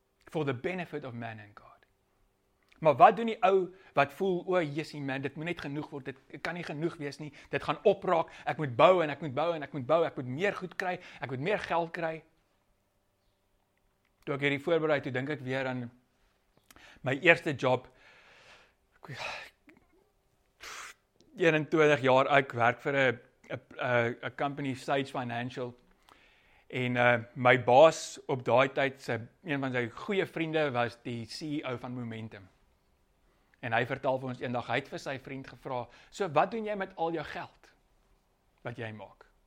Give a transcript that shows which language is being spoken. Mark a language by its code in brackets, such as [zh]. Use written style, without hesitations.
[en] For the benefit of man and God. [af] Maar wat doen die ou, wat voel, o, Jesus, man, dit moet net genoeg word, dit kan nie genoeg wees nie, dit gaan opraak, ek moet bou, en ek moet bou, en ek moet bou, ek moet meer goed kry, ek moet meer geld kry. Toe ek hierdie voorbereid, toe dink ek weer aan my eerste job, 21 jaar, ek werk vir a company, Sage Financial, en my baas op daai tyd, een van sy goeie vriende was die CEO van Momentum, en hy vertel vir ons een dag, hy het vir sy vriend gevra, so wat doen jy met al jou geld, wat jy maak?